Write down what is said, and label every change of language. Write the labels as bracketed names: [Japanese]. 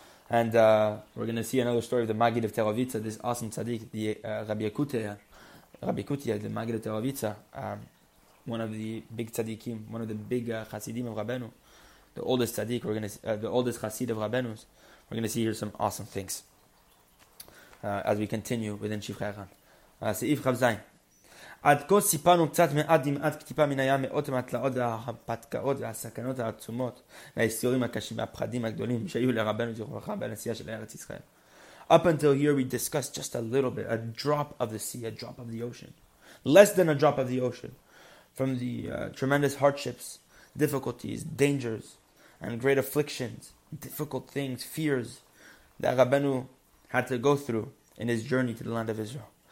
[English] And we're going to see another story of the Magid of Terovitza, this awesome tzaddik, the Rabbi Kutia, the Magid of Terovitza, one of the big tzaddikim, one of the big chassidim of Rabbeinu, the oldest tzaddik, the oldest chassid of Rabbeinu's. We're going to see here some awesome things as we continue within Shivchei Haran. Seif Chav Zayin. [Hebrew] עד כה סיפרנו קצת מעט דמעט כטיפה מן הים מאות המטלעות וההפתקאות והסכנות העצומות והסיורים הקשים והפחדים הגדולים שהיו לרבנו זכרו לברכה בנסיעה של ארץ ישראל. [English] Up until here we discussed just a little bit, a drop of the sea, a drop of the ocean. Less than a drop of the ocean. From the tremendous hardships, difficulties, dangers, and great afflictions, difficult things, fears that Rabbeinu had to go through in his journey to the land of Israel.